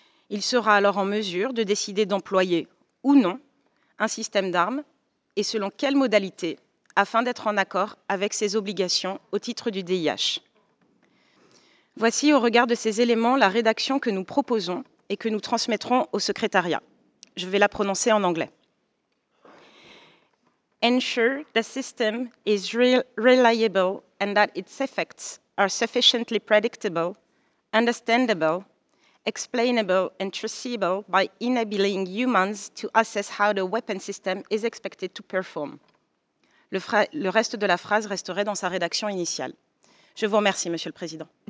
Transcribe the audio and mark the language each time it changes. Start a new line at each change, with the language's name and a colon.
French: Il sera alors en mesure de décider d'employer ou non un système d'armes et selon quelles modalités, afin d'être en accord avec ses obligations au titre du DIH. Voici, au regard de ces éléments, la rédaction que nous proposons et que nous transmettrons au secrétariat. Je vais la prononcer en anglais.
English: Ensure the system is reliable and that its effects are sufficiently predictable, understandable, explainable and traceable by enabling humans to assess how the weapon system is expected to perform.
French: Le reste de la phrase resterait dans sa rédaction initiale. Je vous remercie, Monsieur le Président.